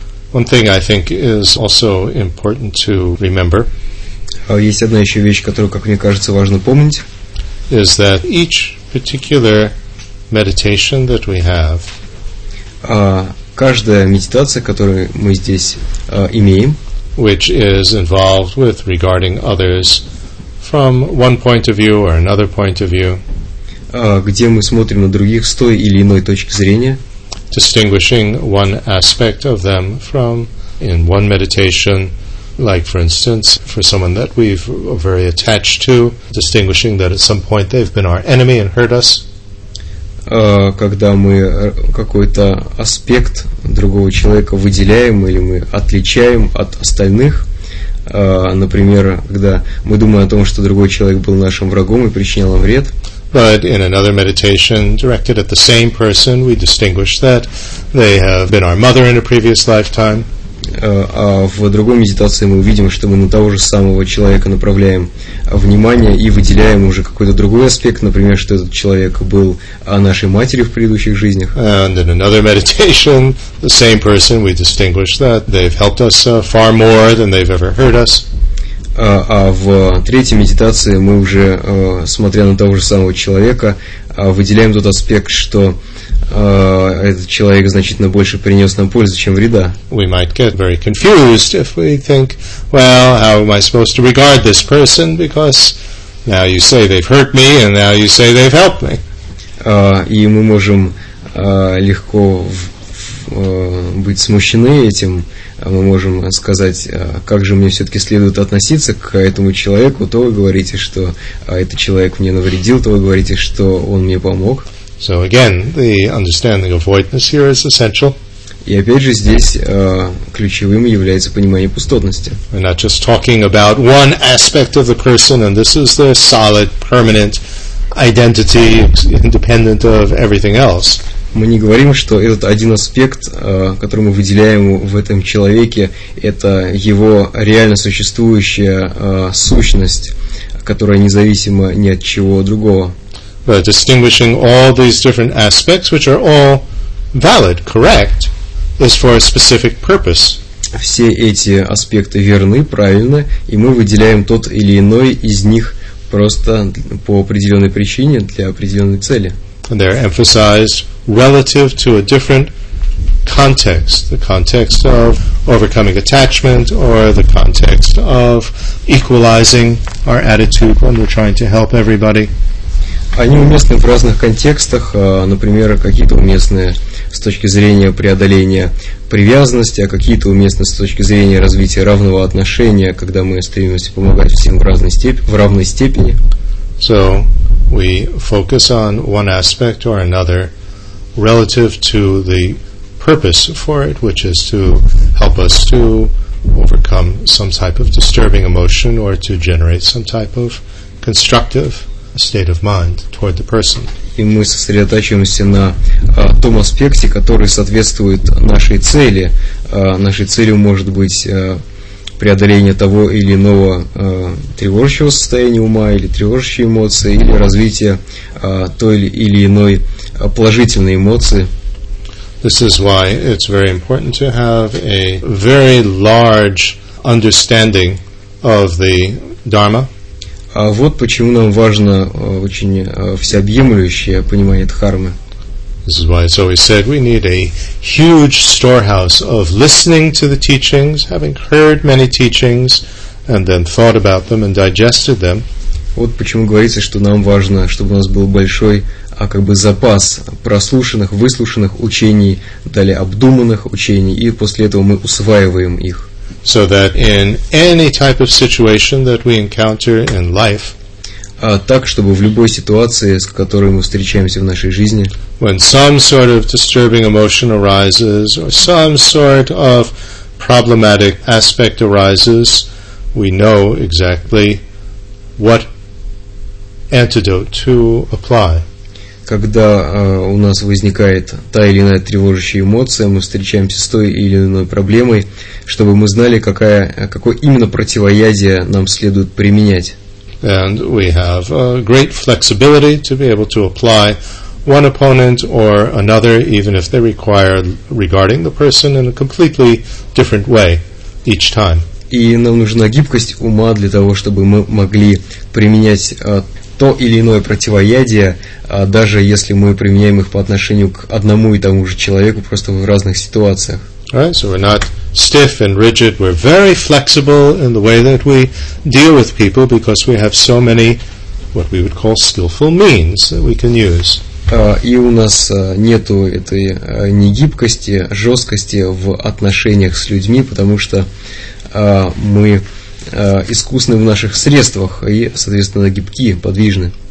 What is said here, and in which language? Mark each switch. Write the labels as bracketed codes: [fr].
[en] One thing I think is also important to remember. [ru] Есть одна еще вещь, которую, как мне кажется, важно помнить. [en] Is that each particular meditation that we have? [ru] Каждая медитация, которую мы здесь имеем. [en] Which is involved with regarding others from one point of view or another point of view. [ru] Где мы смотрим на других с той или иной точки зрения. [en] Distinguishing one aspect of them from in one meditation, like for instance, for someone that we've are very attached to, distinguishing that at some point they've been our enemy and hurt us. [ru] Когда мы какой-то аспект другого человека выделяем или мы отличаем от остальных, например, когда мы думаем о том, что другой человек был нашим врагом и причинял нам вред. [en] But in another meditation directed at the same person, we distinguish that they have been our mother in a previous lifetime. [ru] А в другой медитации мы увидим, что мы на того же самого человека направляем внимание и выделяем уже какой-то другой аспект, например, что этот человек был нашей матерью в предыдущих жизнях. [en] And in another meditation, the same person, we distinguish that they've helped us far more than they've ever hurt us. [ru] А в третьей медитации мы уже, смотря на того же самого человека, выделяем тот аспект, что этот человек значительно больше принес нам пользы, чем вреда. [en] We might get very confused if we think, well, how am I supposed to regard this person, because now you say they've hurt me, and now you say they've helped me. [ru] И мы можем легко быть смущены этим. Мы можем сказать, как же мне все-таки следует относиться к этому человеку, то вы говорите, что этот человек мне навредил, то вы говорите, что он мне помог. [en] So again, the understanding of voidness here is essential. [ru] И опять же здесь ключевым является понимание пустотности. [en] We're not just talking about one aspect of the person, and this is their solid, permanent identity, independent of everything else. [ru] Мы не говорим, что этот один аспект, который мы выделяем в этом человеке, это его реально существующая сущность, которая независима ни от чего другого. [en] But distinguishing all these different aspects, which are all valid, correct, is for a specific purpose. [ru] Все эти аспекты верны, правильны, и мы выделяем тот или иной из них просто по определенной причине для определенной цели. [en] And they're emphasized relative to a different context, the context of overcoming attachment or the context of equalizing our attitude when we're trying to help everybody. [ru] Они уместны в разных контекстах, например, какие-то уместны с точки зрения преодоления привязанности, а какие-то уместны с точки зрения развития равного отношения, когда мы стремимся помогать всем в равной степени. [en] So we focus on one aspect or another relative to the purpose for it, which is to help us to overcome some type of disturbing emotion or to generate some type of constructive state of mind toward the person. [ru] И мы сосредотачиваемся на том аспекте, который соответствует нашей цели. Нашей целью может быть преодоление того или иного тревожащего состояния ума или тревожащей эмоции или развитие той или иной положительной эмоции. [en] This is why it's very important to have a very large understanding of the Dharma. [ru] А вот почему нам важно очень всеобъемлющее понимание дхармы. [en] This is why it's always said we need a huge storehouse of listening to the teachings, having heard many teachings, and then thought about them and digested them. [ru] Вот почему говорится, что нам важно, чтобы у нас был большой, как бы запас прослушанных, выслушанных учений, далее обдуманных учений, и после этого мы усваиваем их. [en] So that in any type of situation that we encounter in life, [ru] так, чтобы в любой ситуации, с которой мы встречаемся в нашей жизни, [en] when some sort of disturbing emotion arises, or some sort of problematic aspect arises, we know exactly what antidote to apply. [ru] Когда у нас возникает та или иная тревожащая эмоция, мы встречаемся с той или иной проблемой, чтобы мы знали, какое именно противоядие нам следует применять. [en] And we have great flexibility to be able to apply one opponent or another, even if they require regarding the person in a completely different way each time. [ru] И нам нужна гибкость ума для того, чтобы мы могли применять то или иное противоядие, даже если мы применяем их по отношению к одному и тому же человеку, просто в разных ситуациях. [en] Right, so we're not stiff and rigid, we're very flexible in the way that we deal with people, because we have so many, what we would call skillful means that we can use. [ru] И у нас нету этой ни гибкости, жесткости в отношениях с людьми, потому что мы искусны в наших средствах и, соответственно, гибки, подвижны.